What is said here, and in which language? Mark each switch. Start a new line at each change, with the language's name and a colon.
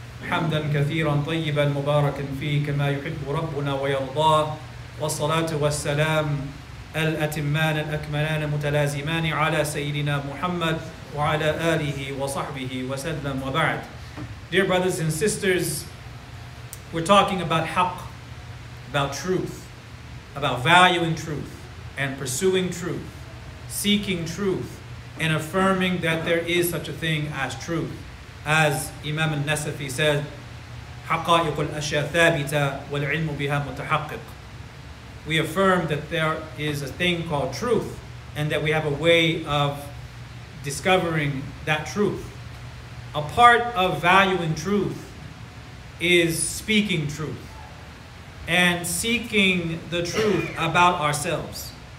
Arabic: حمدا كثيرا طيبا مباركا فيه كما يحب ربنا ويرضاه والصلاة والسلام الأتمان الأكملان المتلازمان على سيدنا محمد وعلى آله وصحبه وسلم وبعد.
English: Dear brothers and sisters, we're talking about haqq, about truth, about valuing truth and pursuing truth, seeking truth and affirming that there is such a thing as truth. As Imam al-Nasafi said,
Arabic: حقائق الأشياء ثابتة والعلم بها متحقق.
English: We affirm that there is a thing called truth and that we have a way of discovering that truth. A part of valuing truth is speaking truth and seeking the truth about ourselves.